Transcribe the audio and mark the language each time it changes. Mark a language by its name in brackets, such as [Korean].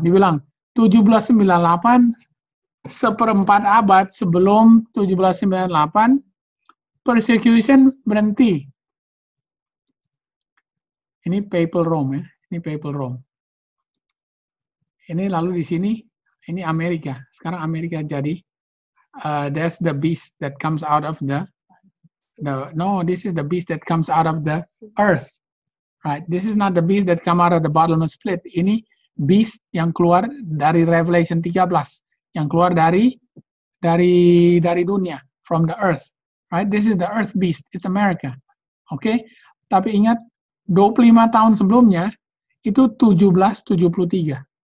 [Indonesian] Dibilang 1798, seperempat abad sebelum 1798, persecution berhenti. Ini Papal Rome, ya. Ini Papal Rome. Ini lalu di sini, ini Amerika. Sekarang Amerika jadi [English] that's the beast that comes out of this is the beast that comes out of the earth. Right? This is not the beast that come out of the bottomless pit. [Indonesian] Ini beast yang keluar dari Revelation 13, yang keluar dari dunia, [English] from the earth. Right? This is the earth beast. It's America. Okay? [Indonesian] Tapi ingat 25 tahun sebelumnya itu 1773.